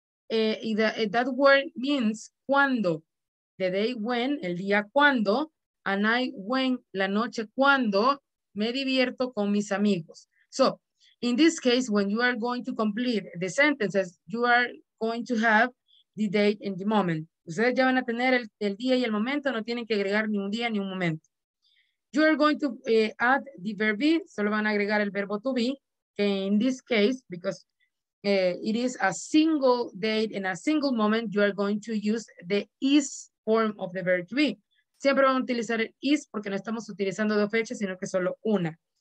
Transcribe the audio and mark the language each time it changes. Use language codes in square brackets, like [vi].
[en] That word means [es] cuando, [en] the day when, [es] el día cuando, [en] a night when, [es] la noche cuando, me divierto con mis amigos. [en] So, in this case, when you are going to complete the sentences, you are going to have the date and the moment. [es] Ustedes ya van a tener el día y el momento, no tienen que agregar ni un día ni un momento. [en] You are going to add the verb be, [es] solo van a agregar el verbo [en] to be, que in this case, because it is a single date in a single moment, you are going to use the is form of the verb to be. [es] Siempre van a utilizar el is porque no estamos utilizando dos fechas, sino que solo una.